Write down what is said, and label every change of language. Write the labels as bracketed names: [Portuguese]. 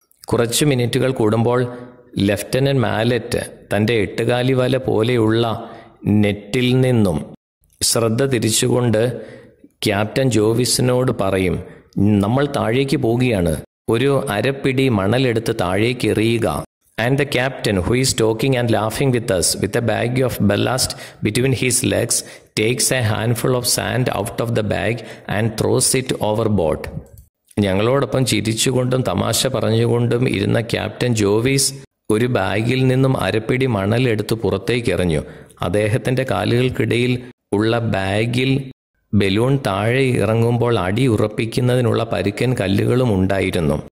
[Malayalam] കുറച്ച് മിനിറ്റുകൾ കൂടുമ്പോൾ ലെഫ്റ്റനന്റ് മാലറ്റ് തൻ്റെ എട്ടുകാലി വല പോലെയുള്ള നെറ്റിൽ നിന്നും ശ്രദ്ധ തിരിച്ചുകൊണ്ട് ക്യാപ്റ്റൻ ജോവീസിനോട് പറയും, നമ്മൾ താഴേക്ക് പോവുകയാണ്, ഒരു അരപ്പിടി മണലെടുത്ത് താഴേക്ക് എറിയുക. [English] And the captain, who is talking and laughing with us with a bag of ballast between his legs, takes a handful of sand out of the bag and throws it overboard. [Malayalam] ഞങ്ങളോടൊപ്പം ചിരിച്ചുകൊണ്ടും തമാശ പറഞ്ഞുകൊണ്ടും ഇരുന്ന captain ജോവീസ് ഒരു ബാഗിൽ നിന്നും അരപ്പിടി മണൽ എടുത്ത് പുറത്തേക്ക് എറിഞ്ഞു. അദ്ദേഹത്തിന്റെ കാലുകൾക്കിടയിൽ ഉള്ള ബാഗിൽ ബലൂൺ താഴെ ഇറങ്ങുമ്പോൾ അടി ഉറപ്പിക്കുന്നതിനുള്ള പരുക്കൻ കല്ലുകളും ഉണ്ടായിരുന്നു.